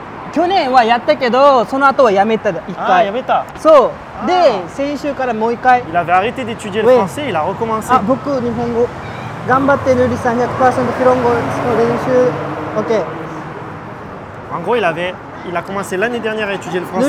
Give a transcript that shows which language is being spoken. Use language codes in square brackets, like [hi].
[ja] 去年はやったけど、その後はやめた。1回やめた。そう。で、先週からもう1回 [fr] Il avait arrêté d'étudier le français, il a recommencé. Ah, beaucoup de nihongo. [ja] 頑張ってるりさん100% ヒロンゴの練習. OK. [fr] En gros, il a commencé l'année dernière à étudier le français.